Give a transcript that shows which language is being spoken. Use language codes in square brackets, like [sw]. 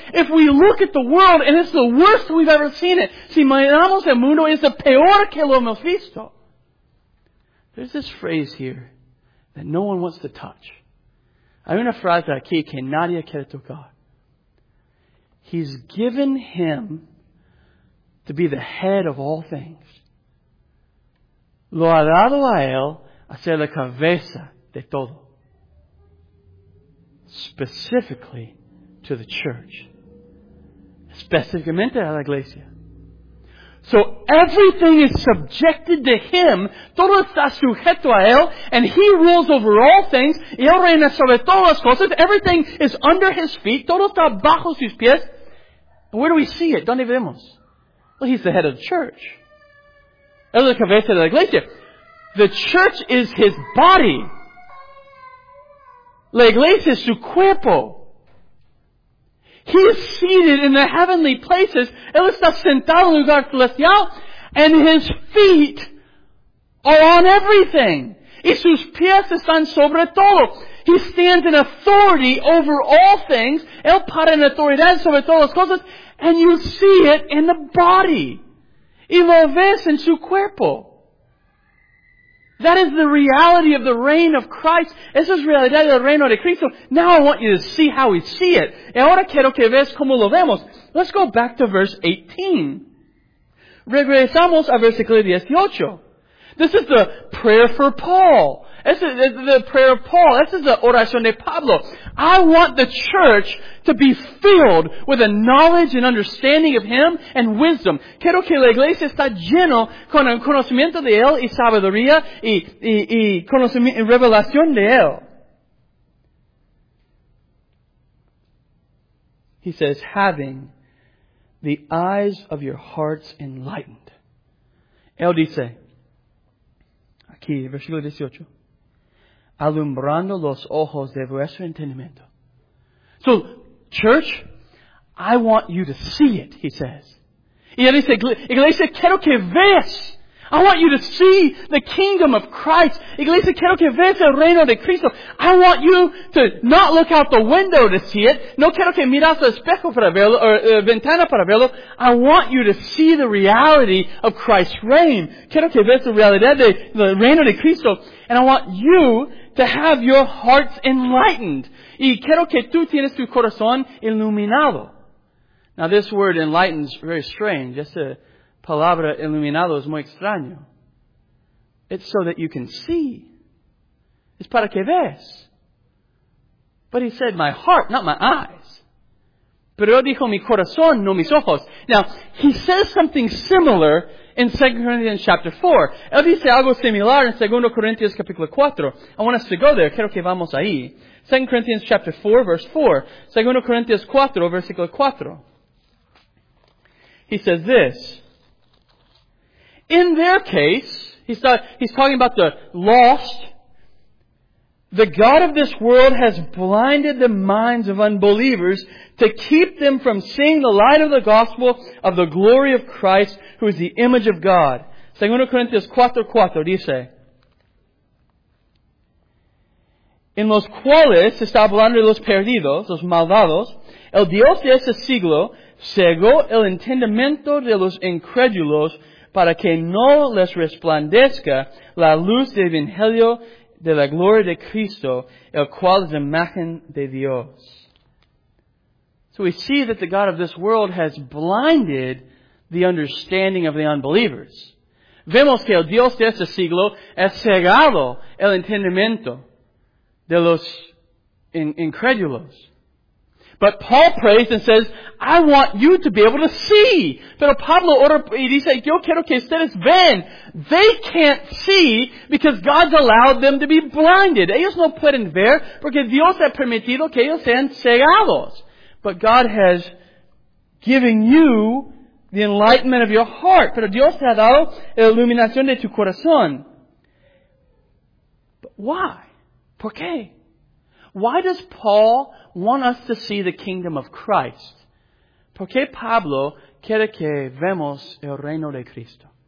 [en] If we look at the world and it's the worst we've ever seen it. [es] Si miramos el mundo, es el peor que lo hemos visto. [en] There's this phrase here that no one wants to touch. [es] Hay una frase aquí que nadie quiere tocar. [en] He's given him to be the head of all things. [es] Lo ha dado a él a ser la cabeza de todo. [en] specifically to the church. [es] Especificamente a la iglesia. [en] So everything is subjected to Him. [es] Todo está sujeto a Él. [en] And He rules over all things. [es] Y Él reina sobre todas las cosas. [en] Everything is under His feet. [es] Todo está bajo sus pies. [en] But where do we see it? [es] ¿Dónde vemos? [en] Well, He's the head of the church. [es] Él es la cabeza de la iglesia. [en] The church is His body. [es] La iglesia es su cuerpo. [en] He is seated in the heavenly places. [es] Él está sentado en el lugar celestial. [en] And His feet are on everything. [es] Y sus pies están sobre todo. [en] He stands in authority over all things. [es] Él para en autoridad sobre todas las cosas. [en] And you see it in the body. [es] Y lo ves en su cuerpo. [en] That is the reality of the reign of Christ. [es] Esa es la realidad del reino de Cristo. [en] Now I want you to see how we see it. [es] Y ahora quiero que veas cómo lo vemos. [en] Let's go back to verse 18. [es] Regresamos a versículo 18. [en] This is the prayer for Paul. This is the prayer of Paul. This is the [es] oración de Pablo. [en] I want the church to be filled with a knowledge and understanding of Him and wisdom. [es] Quiero que la iglesia está lleno con el conocimiento de Él y sabiduría y conocimiento y revelación de Él. [en] He says, having the eyes of your hearts enlightened. [es] Él dice, aquí, versículo 18. Alumbrando los ojos de vuestro entendimiento. [en] So, church, I want you to see it, he says. [es] Y él dice, iglesia, quiero que veas. [en] I want you to see the kingdom of Christ. [es] Iglesia, quiero que veas el reino de Cristo. [en] I want you to not look out the window to see it. [es] No quiero que miras el espejo para verlo, o ventana para verlo. [en] I want you to see the reality of Christ's reign. [es] Quiero que veas la realidad de el reino de Cristo. [en] And I want you to have your hearts enlightened. [es] Y quiero que tú tienes tu corazón iluminado. [en] Now this word enlightened is very strange. [es] Just a palabra iluminado es muy extraño. [en] It's so that you can see. It's [es] para que veas. [en] But he said, my heart, not my eyes. [es] Pero dijo mi corazón, no mis ojos. [en] Now, he says something similar in 2 Corinthians chapter 4. [es] Él dice algo similar en 2 Corinthians capítulo 4. [en] I want us to go there. [es] Quiero que vamos ahí. [en] 2 Corinthians chapter 4, verse 4. [es] 2 Corinthians 4, versículo 4. [en] He says this. In their case, he's talking about the lost. The God of this world has blinded the minds of unbelievers to keep them from seeing the light of the gospel of the glory of Christ, who is the image of God. [es] 2 Corinthians 4:4 dice, en los cuales está hablando de los perdidos, los malvados, el Dios de ese siglo cegó el entendimiento de los incrédulos para que no les resplandezca la luz del Evangelio de la gloria de Cristo, el cual es la imagen de Dios. [en] So we see that the God of this world has blinded the understanding of the unbelievers. [es] Vemos que el Dios de este siglo ha cegado el entendimiento de los incrédulos. [en] But Paul prays and says, I want you to be able to see. [es] Pero Pablo ora y dice, yo quiero que ustedes vean. [en] They can't see because God's allowed them to be blinded. [es] Ellos no pueden ver porque Dios ha permitido que ellos sean cegados. [en] But God has given you the enlightenment of your heart. [es] Pero Dios te ha dado la iluminación de tu corazón. [en] But why? [es] ¿Por qué? [en] Why does Paul want us to see the kingdom of Christ? [es] ¿Por qué Pablo quiere que vemos el reino de Cristo?